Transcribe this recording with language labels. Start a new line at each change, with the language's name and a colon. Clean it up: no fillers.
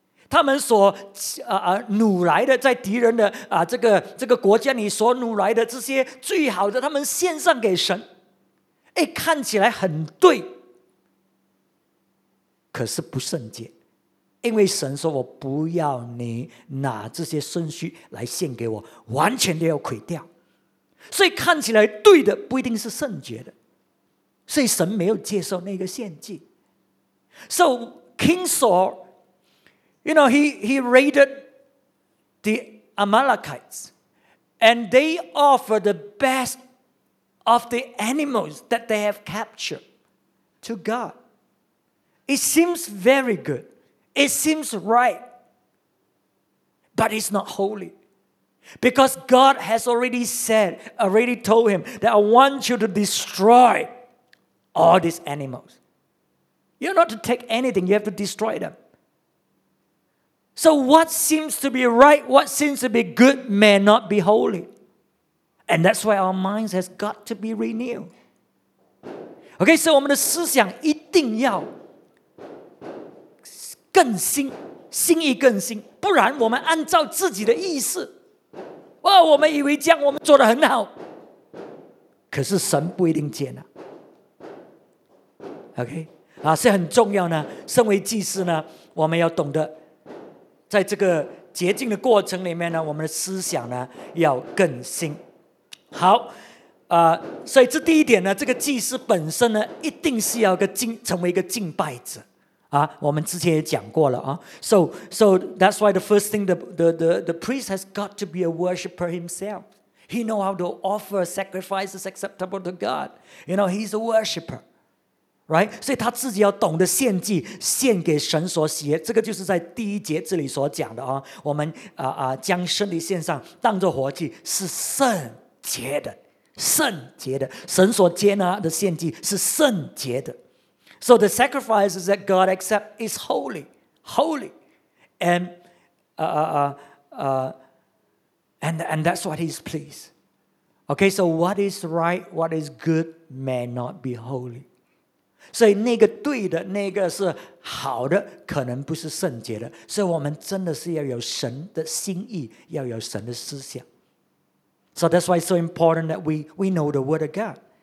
Chinese: 他们所掳来的，在敌人的这个国家里所掳来的这些最好的，他们献上给神，哎，看起来很对，可是不圣洁，因为神说我不要你拿这些牲畜来献给我，完全都要毁掉，所以看起来对的不一定是圣洁的，所以神没有接受那个献祭。
English: So King Saul. You know, he raided the Amalekites and they offered the best of the animals that they have captured to God. It seems very good. It seems right. But it's not holy. Because God has already said, already told him that I want you to destroy all these animals. You're not to take anything, you have to destroy them. So what seems to be right, what seems to be good, may not be holy. And that's why our minds has got to be renewed. Okay, so
Chinese: 我们的思想一定要更新，心意更新，不然我们按照自己的意思，哦，我们以为这样我们做得很好，可是神不一定接纳。 Okay, 是很重要呢，身为祭司呢，我们要懂得在这个洁净的过程里面呢，我们的思想呢要更新。好，所以这第一点呢，这个祭司本身呢，一定是要成为一个敬拜者啊。我们之前也讲过了啊。
English: So that's why the first thing the priest has got to be a worshipper himself. He know how to offer sacrifices acceptable to God. You know, he's a worshipper. Right?
Chinese: 所以他自己要懂得献祭，献给神所喜悦。这个就是在第一节这里所讲的，我们将身体献上当作活祭是圣洁的，圣洁的，神所接纳的献祭是圣洁的。
English: So the sacrifices that God accept is holy, holy, and that's what he's pleased. Okay, so what is right, what is good may not be holy.
Chinese: 所以那个对的，那个是好的，可能不是圣洁的。所以我们真的是要有神的心意，要有神的思想。
English: So that's why it's so important that we know the word of God.